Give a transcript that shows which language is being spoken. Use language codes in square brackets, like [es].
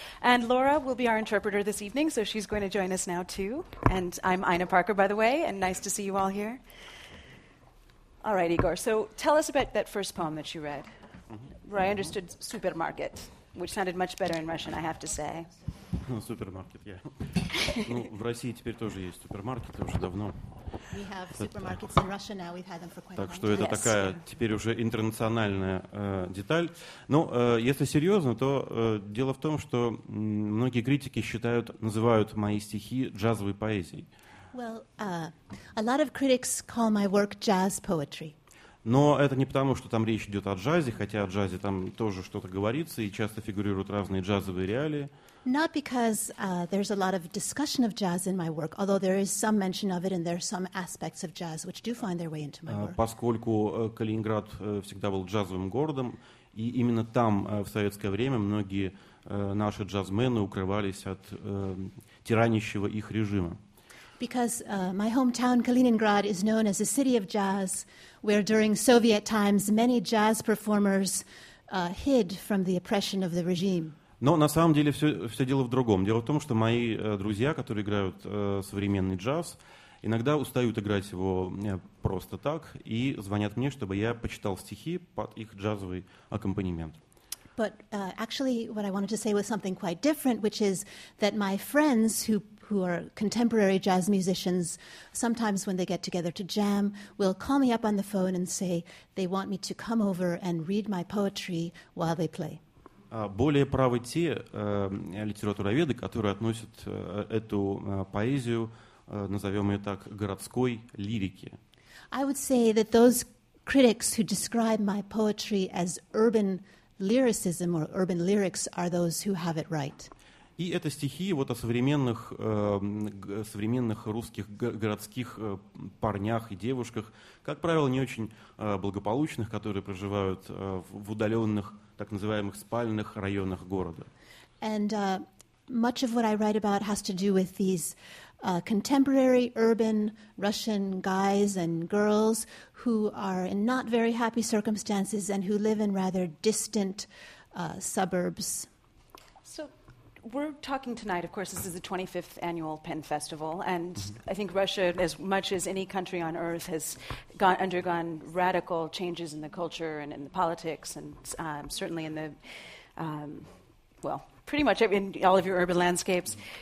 [en] And Laura will be our interpreter this evening, so she's going to join us now too. And I'm Ina Parker, by the way, and nice to see you all here. All right, Igor, so tell us about that first poem that you read, mm-hmm. where I understood supermarket, which sounded much better in Russian, I have to say. Supermarket, yeah. [ru] Ну, в России теперь тоже есть супермаркеты уже давно. [en] We have supermarkets in Russia now. We've had them for quite a [ru] Так что это такая теперь уже интернациональная деталь. Но если серьезно, то дело в том, что многие критики называют мои стихи джазовой поэзией. [en] Well, a lot of critics call my work jazz poetry. [ru] Но это не потому, что там речь идет о джазе, хотя о джазе там тоже что-то говорится и часто фигурируют разные джазовые реалии. [en] Not because there's a lot of discussion of jazz in my work, although there is some mention of it and there are some aspects of jazz which do find their way into my work. [ru] Поскольку Калининград всегда был джазовым городом, и именно там в советское время многие наши джазмены укрывались от тиранящего их режима. [en] Because my hometown, Kaliningrad, is known as a city of jazz, where during Soviet times many jazz performers hid from the oppression of the regime. [ru] Но на самом деле все дело в другом. Дело в том, что мои друзья, которые играют современный джаз, иногда устают играть его просто так и звонят мне, чтобы я почитал стихи под их джазовый аккомпанемент. [en] But actually, what I wanted to say was something quite different, which is that my friends who are contemporary jazz musicians, sometimes when they get together to jam, will call me up on the phone and say they want me to come over and read my poetry while they play. [ru] Более правы те литературоведы, которые относят эту поэзию, назовем ее так, городской лирике. [en] I would say that those critics who describe my poetry as urban lyricism or urban lyrics are those who have it right. [ru] И это стихи вот о современных русских городских парнях и девушках, как правило, не очень благополучных, которые проживают в удаленных так называемых спальных районах города. [en] And much of what I write about has to do with these contemporary urban Russian guys and girls who are in not very happy circumstances and who live in rather distant suburbs. So we're talking tonight, of course, this is the 25th annual Penn Festival, and I think Russia, as much as any country on earth, has undergone radical changes in the culture and in the politics and certainly in the, pretty much in all of your urban landscapes.